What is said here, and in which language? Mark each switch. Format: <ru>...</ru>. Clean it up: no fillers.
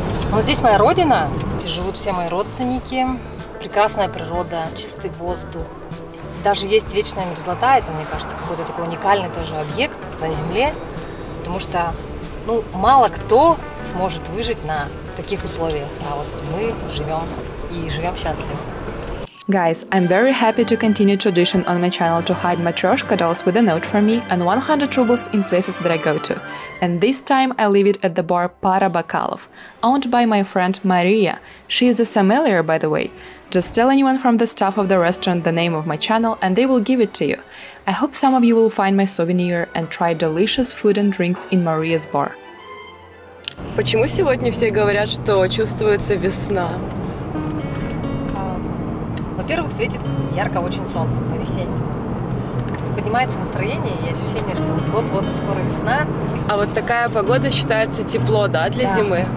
<ru>Ну, здесь моя родина, где живут все мои родственники. Прекрасная природа, чистый воздух. Даже есть вечная мерзлота, это, мне кажется, какой-то такой уникальный тоже объект на Земле. Потому что, ну, мало кто сможет выжить в таких условиях. А вот мы живем и живем счастливо.</ru> <en>Guys, I'm very happy to continue tradition on my channel to hide matryoshka dolls with a note for me and 100 rubles in places that I go to. And this time I leave it at the bar Para Bakalov, owned by my friend Maria. She is a sommelier, by the way. Just tell anyone from the staff of the restaurant the name of my channel and they will give it to you. I hope some of you will find my souvenir and try delicious food and drinks in Maria's bar.</en> <ru>Почему сегодня все говорят, что чувствуется весна? Во-первых, светит ярко очень солнце по весеннему. Поднимается настроение и ощущение, что вот-вот скоро весна. А вот такая погода считается тепло, да, для зимы?</ru>